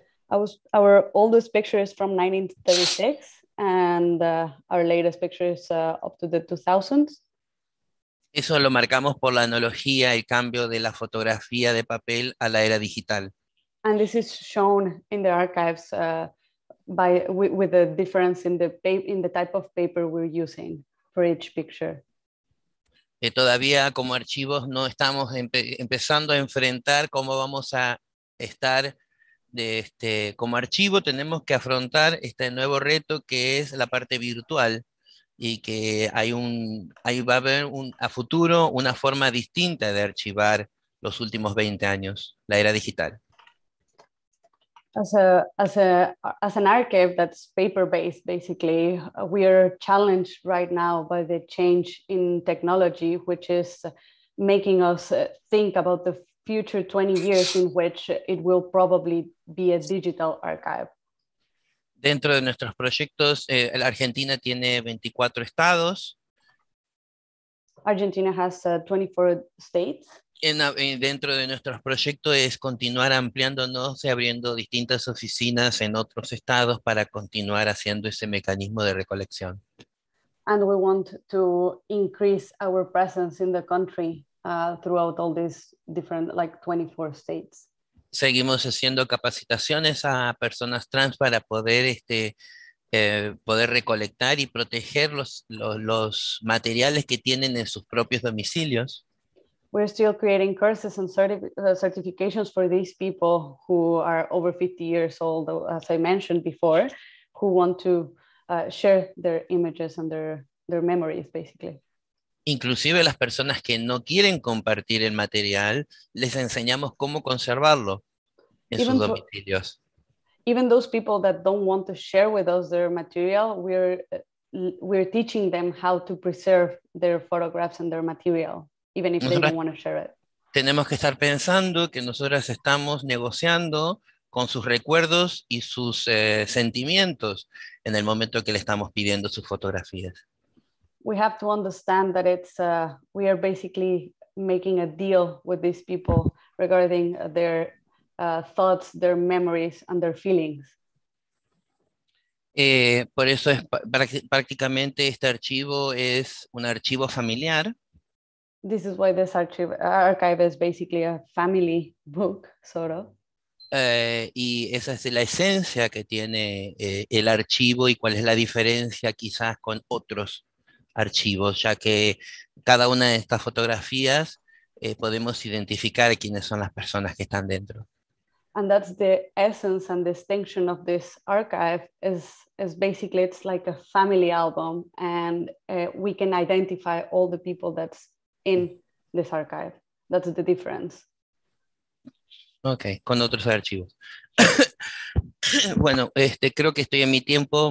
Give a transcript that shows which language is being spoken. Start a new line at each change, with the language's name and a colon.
English: Our oldest picture is from 1936, and our latest picture is up to the 2000s.
Spanish: Eso lo marcamos por la analogía, el cambio de la fotografía de papel a la era digital.
English: And this is shown in the archives with the difference in the type of paper we're using for each picture.
Spanish: Todavía como archivos no estamos empezando a enfrentar cómo vamos a estar como archivo. Tenemos que afrontar este nuevo reto que es la parte virtual y que va a haber a futuro una forma distinta de archivar los últimos 20 años, la era digital.
English: As an archive that's paper-based, basically, we are challenged right now by the change in technology, which is making us think about the future 20 years in which it will probably be a digital archive.
Spanish: Dentro de nuestros proyectos, Argentina tiene 24 estados.
English: Argentina has 24 states.
Spanish: Dentro de nuestros proyectos es continuar ampliándonos y abriendo distintas oficinas en otros estados para continuar haciendo ese mecanismo de recolección.
English: And we want to increase our presence in the country throughout all these different, like, 24 states.
Spanish: Seguimos haciendo capacitaciones a personas trans para poder poder recolectar y proteger los materiales que tienen en sus propios domicilios.
English: We're still creating courses and certifications for these people who are over 50 years old, as I mentioned before, who want to share their images and their memories, basically.
Spanish: Inclusive las personas que no quieren compartir el material, les enseñamos cómo conservarlo en sus domicilios.
English: Even those people that don't want to share with us their material, we're teaching them how to preserve their photographs and their material. Even if they don't want to share it.
Spanish: Tenemos que estar pensando que nosotras estamos negociando con sus recuerdos y sus sentimientos en el momento que le estamos pidiendo sus fotografías.
English: We have to understand that we are basically making a deal with these people regarding their thoughts, their memories, and their feelings.
Spanish: Por eso es prácticamente este archivo es un archivo familiar.
English: This is why this archive is basically a family book, sort of.
Spanish: Y esa es la esencia que tiene el archivo y cuál es la diferencia quizás con otros archivos, ya que cada una de estas fotografías podemos identificar quiénes son las personas que están dentro.
English: And that's the essence and distinction of this archive is basically it's like a family album and we can identify all the people that's in this archive. That's the difference.
Spanish: Okay, con otros archivos. Bueno, creo que estoy en mi tiempo.